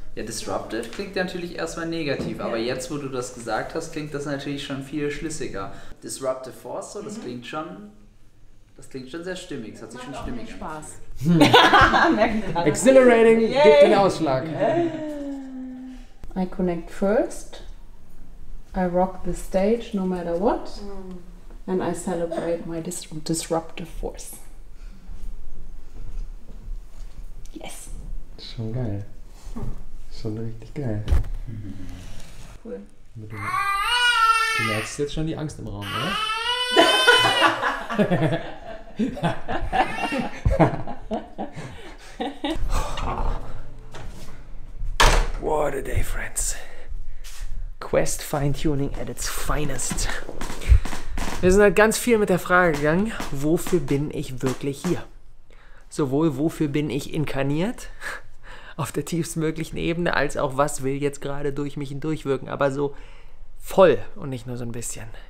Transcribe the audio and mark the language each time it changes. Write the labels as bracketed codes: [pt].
[de] Ja, disruptive klingt natürlich erstmal negativ, aber jetzt, wo du das gesagt hast, klingt das natürlich schon viel schlüssiger. Disruptive Force, so, das klingt schon sehr stimmig, es hat sich schon stimmig Spaß. Exhilarating, gibt den Ausschlag. [en] I connect first, I rock the stage no matter what, and I celebrate my disruptive force. Yes. [de] Schon geil. Schon richtig geil. Cool. Du merkst jetzt schon die Angst im Raum, oder? [en] What a day, friends. Quest Fine-Tuning at its finest. [de] Wir sind halt ganz viel mit der Frage gegangen, wofür bin ich wirklich hier? Sowohl, wofür bin ich inkarniert? Auf der tiefstmöglichen Ebene, als auch was will jetzt gerade durch mich hindurch wirken, aber so voll und nicht nur so ein bisschen.